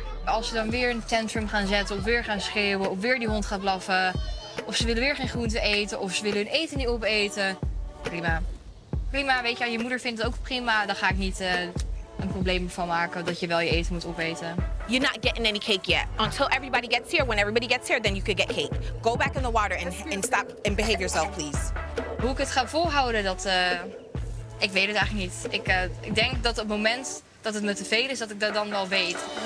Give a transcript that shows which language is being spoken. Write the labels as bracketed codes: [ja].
[nl] Als ze dan weer een tantrum gaan zetten, of weer gaan schreeuwen, of weer die hond gaat blaffen, of ze willen weer geen groente eten, of ze willen hun eten niet opeten, prima. Prima, weet je, je moeder vindt het ook prima, dan ga ik niet een probleem van maken dat je wel je eten moet opeten. [en] You're not getting any cake yet. Until everybody gets here, when everybody gets here, then you could get cake. Go back in the water and stop and behave yourself, please. [nl] Hoe ik het ga volhouden, dat ik weet het eigenlijk niet. Ik denk dat op het moment dat het me te veel is, dat ik dat dan wel weet.